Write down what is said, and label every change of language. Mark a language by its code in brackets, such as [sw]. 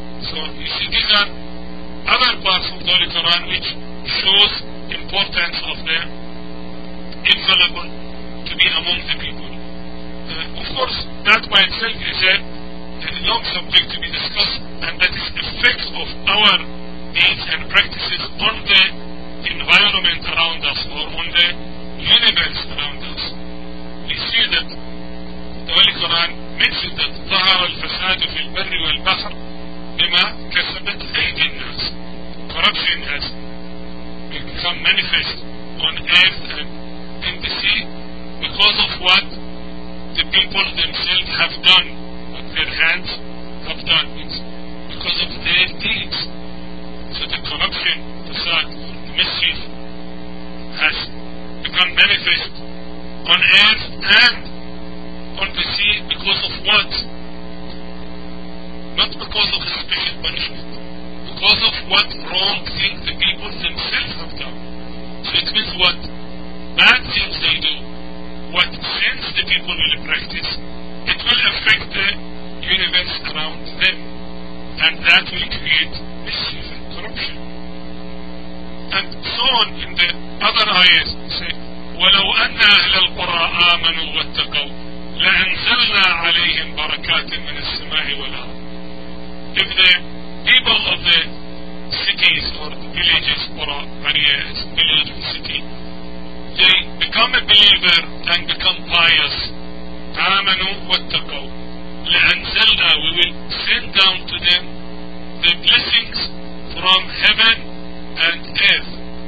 [en] So you see, these are other parts of the Holy Quran which shows importance of the infallible to be among the people. Of course, that by itself is a long subject to be discussed, and that is effects of our deeds and practices on the environment around us or on the universe around us. We see that the Holy Quran mentions that [ar] ظهر الفساد في البر والبحر بما كسبت أيدي الناس. [en] Corruption has become manifest on earth and in the sea because of what the people themselves have done, what their hands have done. It's because of their deeds. So the corruption, fasad, the mischief has become manifest on earth and on the sea because of what? Not because of a special punishment. Because of what wrong things the people themselves have done. So it means what bad things they do, what sins the people will practice, it will affect the universe around them. And that will create mischief and corruption. And so on in the other ayahs, say, [ar] وَلَوْ أَنَّ أَهْلَ الْقُرَىٰ آمَنُوا وَاتَّقَوْا لَأَنْزَلْنَا عَلَيْهِمْ بَرَكَاتٍ مِنَ السَّمَاءِ وَالْأَرْضِ. [en] If the people of the cities or the villages, or village and city, they become a believer and become pious, [ar] آمَنُوا وَاتَّقَوْا لَأَنْزَلْنَا, [en] we will send down to them the blessings from heaven and earth.